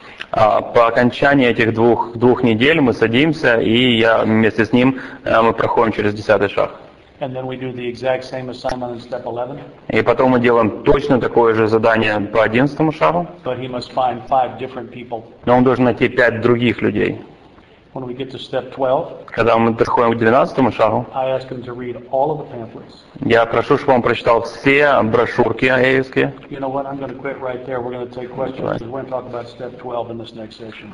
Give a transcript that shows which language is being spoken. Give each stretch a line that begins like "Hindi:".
Russian: По окончании этих двух недель мы садимся, и я вместе с ним мы проходим через 10-й шаг.
English: And then we do the exact same assignment in step 11.
Russian: И потом мы делаем точно такое же задание по 11-му шагу.
English: But he must find 5 different people.
Russian: Но он должен найти 5 других людей.
English: When we get to step 12,
Russian: когда мы подходим к 12-му шагу,
English: I ask him to read all of the pamphlets.
Russian: Я прошу, чтобы он прочитал все брошюрки АЭСКИ.
English: You know what? I'm going to quit right there. We're going to take questions. Right. We're going to talk about step 12 in this next session.